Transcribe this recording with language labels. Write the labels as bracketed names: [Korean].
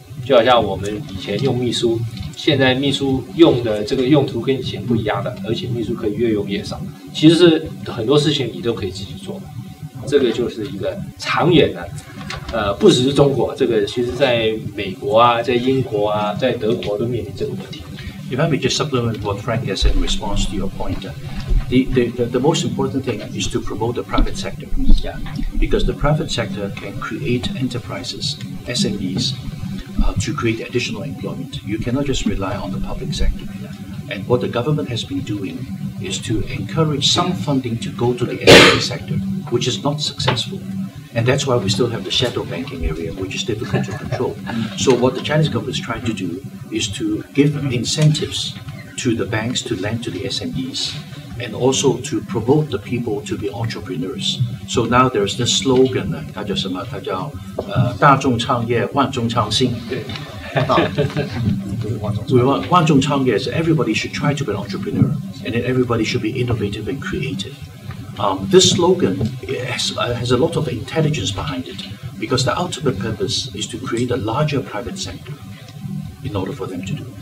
[Chinese] 就好像我们以前用秘书，现在秘书用的这个用途跟以前不一样的，而且秘书可以越用越少，其实是很多事情你都可以自己做的，这个就是一个长远的，不只是中国，这个其实在美国啊，在英国啊，在德国都面临这个问题。 [English] If I may just supplement what Frank has said in response to your point, the most important thing is to promote the private sector. Yeah. Because the private sector can create enterprises, SMEs,to create additional employment. You cannot just rely on the public sector. And what the government has been doing is to encourage some funding to go to the SME sector, which is not successful. And that's why we still have the shadow banking area, which is difficult to control. So what the Chinese government is trying to do is to give incentives to the banks to lend to the SMEs, and also to promote the people to be entrepreneurs. So now there's this slogan, [Chinese] 它叫什么？它叫大众创业，万众创新。对，万众。万众创业是 [English] everybody should try to be an entrepreneur, and then everybody should be innovative and creative. This slogan has a lot of intelligence behind it, because the ultimate purpose is to create a larger private sector in order for them to do.